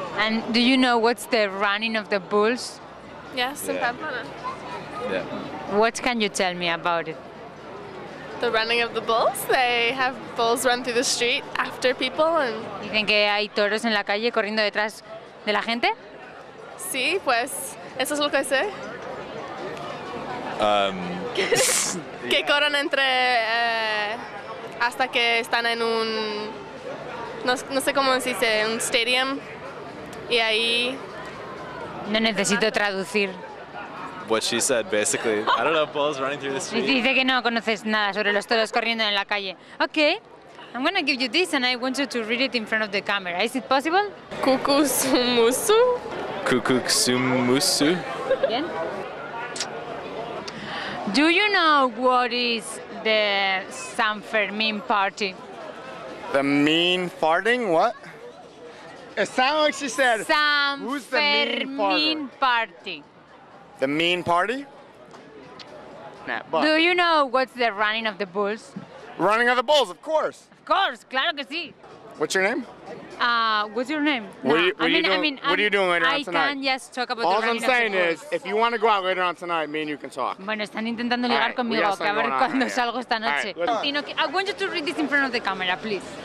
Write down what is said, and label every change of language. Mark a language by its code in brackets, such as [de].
[en] And do you know what's the running of the bulls? Yes, in Pamplona. Yeah. What can you tell me about it? The running of the bulls? They have bulls run through the street after people and... [es] Dicen que hay toros en la calle corriendo detrás de la gente? Sí, pues, eso es lo que sé. que corren entre... hasta que están en un... No sé cómo se dice, un stadium. Y ahí... No necesito traducir. [en] What she said, basically. I don't know, bulls running through the street. [es] Dice que no conoces nada sobre los toros corriendo en la calle. [en] Okay, I'm gonna give you this and I want you to read it in front of the camera. Is it possible? Kukusumusu? Kukusumusu? Again? Do you know what is the Sanfermin party? The mean farting? What? It sounds like she said, who's the mean party? The mean party? Nah, but. Do you know what's the running of the bulls? Running of the bulls, of course. Of course, [es] claro que sí. [en] What's your name? What's your name? What are you doing later on tonight? I can just talk about all the running of the bulls. All I'm saying is, if you want to go out later on tonight, me and you can talk. [es] Bueno, están intentando ligar conmigo, que a ver cuando salgo esta noche. [en] Right, I want you to read this in front of the camera, please.